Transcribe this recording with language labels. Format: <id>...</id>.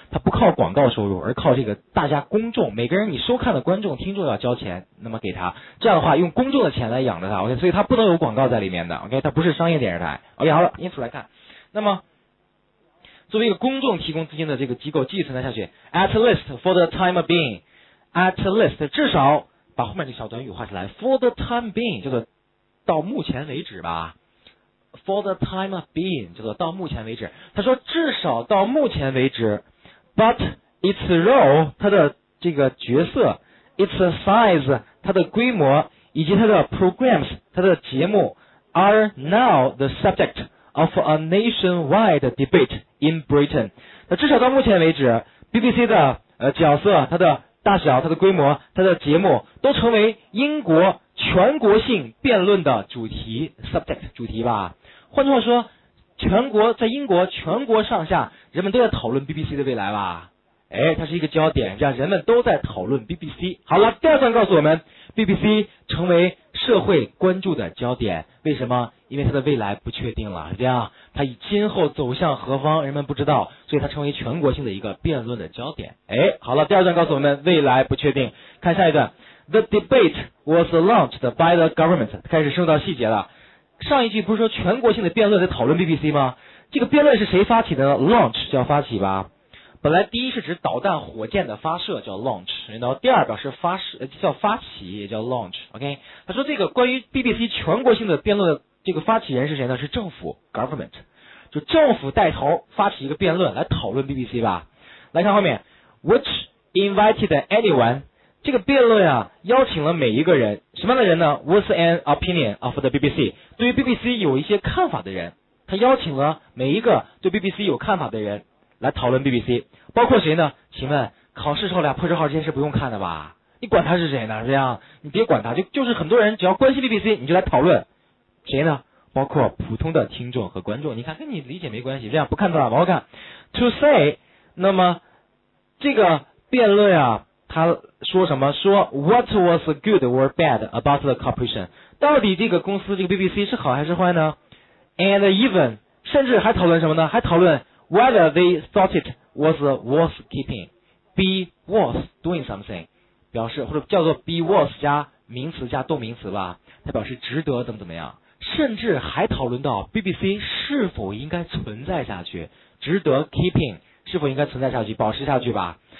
<zh>它不靠广告收入，而靠这个大家公众，每个人你收看的观众听众要交钱，那么给他，这样的话用公众的钱来养着它， OK, 所以它不能有广告在里面的， OK, 它不是商业电视台， OK, 好了，因此来看，那么作为一个公众提供资金的这个机构继续存在下去，</zh> <en>at least for the time being, at least</en> <zh>至少，把后面这小短语画起来，</zh> <en>for the time being</en> <zh>叫做到目前为止吧，</zh> <en>For the time of being,</en> <zh>叫做到目前为止。</zh> <en>他说至少到目前为止， But its role,</en> <zh>它的这个角色，</zh> <en>its size,</en> <zh>它的规模，以及它的</zh> <en>programs,</en> <zh>它的节目</zh> <en>are now the subject of a nationwide debate in Britain.</en> <zh>那至少到目前为止， BBC 的角色，它的大小，它的规模，它的节目都成为英国全国性辩论的主题，</zh> <en>subject,</en> <zh>主题吧。换句话说，全国，在英国全国上下人们都在讨论 BBC 的未来吧，哎，它是一个焦点，让人们都在讨论 BBC。好了，第二段告诉我们 BBC 成为社会关注的焦点，为什么？因为它的未来不确定了，这样它以今后走向何方人们不知道，所以它成为全国性的一个辩论的焦点。哎，好了，第二段告诉我们未来不确定，看下一段。</zh> <en>The debate was launched by the government,</en> <zh>开始深入到细节了。上一句不是说全国性的辩论在讨论 BBC 吗？这个辩论是谁发起的呢？ launch 叫发起吧，本来第一是指导弹火箭的发射叫 launch， 然后第二表示发射叫发起也叫 launch， OK。他说这个关于 BBC 全国性的辩论的这个发起人是谁呢，是政府 government， 就政府带头发起一个辩论来讨论 BBC 吧。来看后面</zh> <en>which invited anyone，</en> <zh>这个辩论啊邀请了每一个人，什么样的人呢，</zh> <en>was an opinion of the BBC，</en> <zh>对于 BBC 有一些看法的人，他邀请了每一个对 BBC 有看法的人来讨论 BBC， 包括谁呢？请问考试时候俩破折号这件事不用看的吧？你管他是谁呢？这样，你别管他，就是很多人只要关心 BBC， 你就来讨论，谁呢？包括普通的听众和观众，你看跟你理解没关系，这样不看的话不好看。</zh> <en>To say，</en> <zh>那么这个辩论啊，他说什么？</zh> <en>说 What was good or bad about the corporation？</en> <zh>到底这个公司这个 BBC 是好还是坏呢 ？</zh> <en>And even，</en> <zh>甚至还讨论什么呢？还讨论。</zh> <en>Whether they thought it was worth keeping, be worth doing something，</en> <zh>表示或者叫做 be worth 加名词加动名词吧，它表示值得怎么怎么样，甚至还讨论到 BBC 是否应该存在下去，值得</zh> <en>keeping</en> <zh>是否应该存在下去，保持下去吧。</zh>